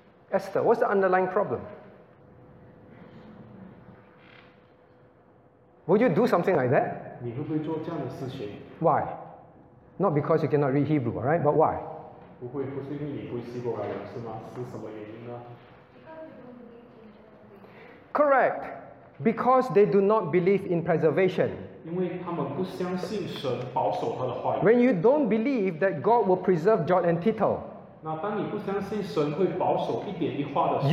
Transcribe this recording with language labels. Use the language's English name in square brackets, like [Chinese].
[English] Esther, what's the underlying problem? Would you do something like that? [Chinese] 你会不会做这样的事情？ [English] Why? Not because you cannot read Hebrew, right? But why? [Chinese] 不会，不是因为你不会希伯来人是吗？是什么原因呢？ [English] Correct, because they do not believe in preservation. [Chinese] 因为他们不相信神保守他的话语。 [English] When you don't believe that God will preserve jot and tittle, [Chinese] 那当你不相信神会保守一点一画的时候，